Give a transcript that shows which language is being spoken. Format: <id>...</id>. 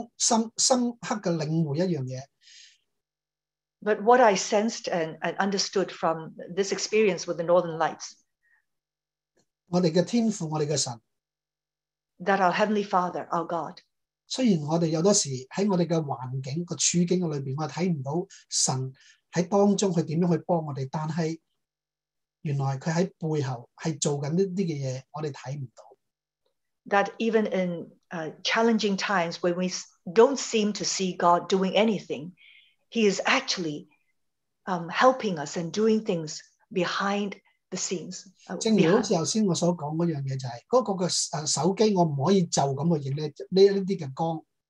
<zh>这个北极光去给我去深刻的领悟一样嘢。</zh> <en>But what I sensed and understood from this experience with the Northern Lights,</en> <zh>我们的天父，我们的神,</zh> <en>that our Heavenly Father, our God,</en> <zh>虽然我们有时在我们的环境、处境里面，我们看不到神在当中他怎样去帮我们，但是 原来他在背后是做这些事情，我们看不到。</zh> <en>That even in challenging times when we don't seem to see God doing anything, He is actually helping us and doing things behind the scenes.</en> <zh>正如好像刚才我所说的那样东西，就是那个手机我不可以就这样去拍这些光。</zh>